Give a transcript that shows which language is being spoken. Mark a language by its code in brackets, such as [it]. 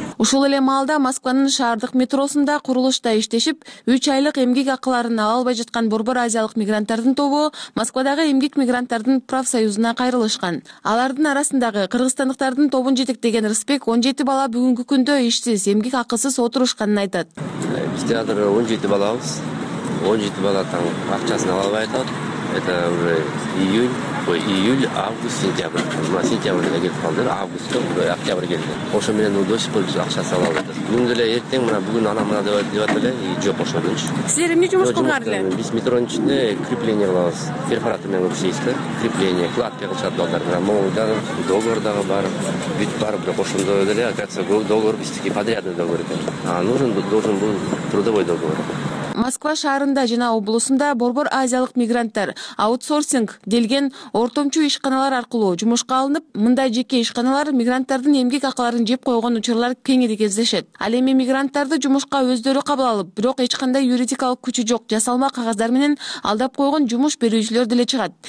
[ky] Ушул эле маалда Москванын шаардык метросунда курулушта иштешип, 3 айлык эмгек акыларын албай жаткан борбор азиялык мигранттардын тобу Москвадагы эмгек мигранттардын профсоюзуна кайрылышкан. Алардын арасындагы кыргызстандыктардын тобун жетектеген Рысбек 17 бала бүгүнкү күндө ишсиз, эмгек акысыз отурушканын айтат. Биз театр 17 балабыз. 17 бала таң акчасын ала албай атат. [ru] Это уже июль, август, сентябрь. [ky] Мына сентябрда келип калды, августта [ru] уже [ky] октябрь келди. Ошо менен [ru] до сих пор [ky] акчасы ала албайбыз. Бүгүн деле эртең мына бүгүн ана мына деп атат эле и жок ошо менен. Силер эмне жумуш кылдыңар эле? Биз метронун ичинде крепление кылабыз. Перфоратор менен иштейбиз. Крепление, кладка кылышат балдар. Могулдар договор дагы бар, бүт бар, бирок ошондой деле [ru] оказывается [ky] договор биздики подрядный договор экен. [ru] А нужен должен был трудовой договор. [ky] Москва шаарында жана облусунда борбор азиялык мигранттар аутсорсинг делген ортомчу ишканалар аркылуу жумушка алынып, мындай жеке ишканалар мигранттардын эмгек акыларын жеп койгон учурлар кеңири кездешет. Ал эми мигранттарды жумушка өздөрү кабыл алып, бирок эч кандай юридикалык күчү жок жасалма кагаздар менен алдап койгон жумуш берүүчүлөр деле чыгат.